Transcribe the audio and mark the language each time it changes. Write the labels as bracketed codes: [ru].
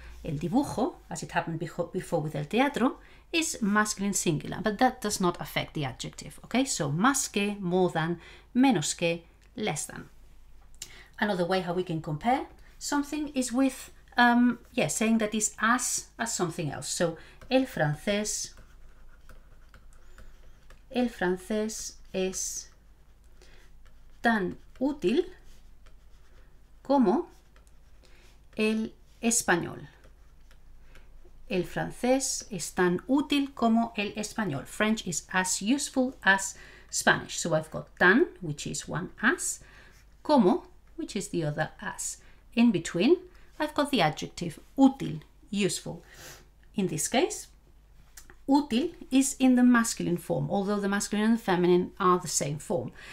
[en] El dibujo, as it happened before with el teatro, is masculine singular, but that does not affect the adjective, okay? So más que, more than, menos que, less than. Another way how we can compare something is with, saying that it's as something else. [es] So el francés es tan útil como el español. El francés es tan útil como el español. [en] French is as useful as Spanish. So I've got tan, which is one as, como, which is the other as. In between, I've got the adjective útil, useful. In this case, útil is in the masculine form, although the masculine and the feminine are the same form.